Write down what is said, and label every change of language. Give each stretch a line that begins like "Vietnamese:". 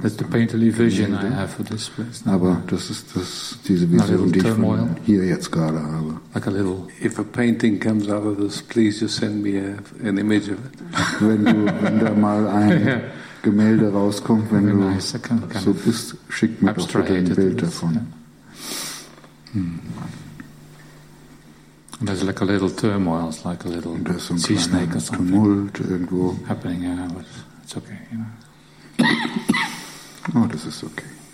English: That's the painterly vision I have for this place. Now.
German: Aber das ist das, diese Vision, die ich von hier jetzt gerade habe.
English: Like a little... If a painting comes out of this, please just send me an image of it.
German: Wenn du, wenn da mal ein Gemälde rauskommt, wenn du nice, so bist, schick mir doch bitte ein Bild davon.
English: And there's like a little turmoil, it's like a little sea snake or something
German: tumult irgendwo.
English: Happening, yeah, but it's okay, you know. Oh, this is okay.